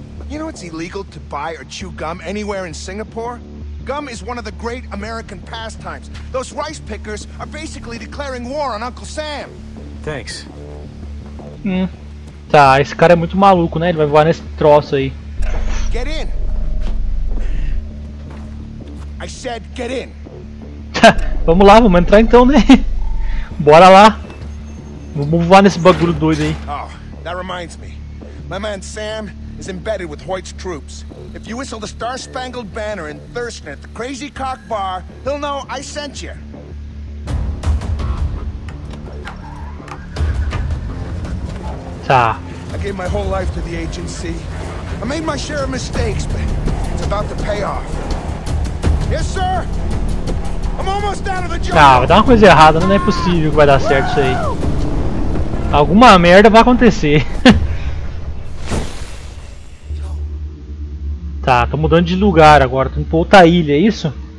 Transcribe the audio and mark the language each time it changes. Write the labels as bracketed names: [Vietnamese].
[English] You know it's illegal to buy or chew gum anywhere in Singapore? Gum is one of the great American pastimes. Those rice pickers are basically declaring war on Uncle Sam. Thanks. [Portuguese] Tá, esse cara é muito maluco, né? Ele vai voar nesse troço aí. [English] Get in. I said get in. [Portuguese] Vamos lá, vamos entrar então, né? Bora lá. Vamos voar nesse bagulho doido aí. [English] Oh, that reminds me. My man Sam is embedded with Hoyt's troops. If you whistle the Star Spangled Banner in Thurston at the Crazy Cock Bar, he'll know I sent you. [Portuguese] Tá. [English] I gave my whole life to the agency. I made my share of mistakes, but it's about to pay off. Yes, sir. I'm almost out of the job. [Portuguese] Ah, vai dar uma coisa errada, não é possível que vai dar certo isso aí. Alguma merda vai acontecer. Tá, tô mudando de lugar agora, tô indo pra outra ilha, é isso?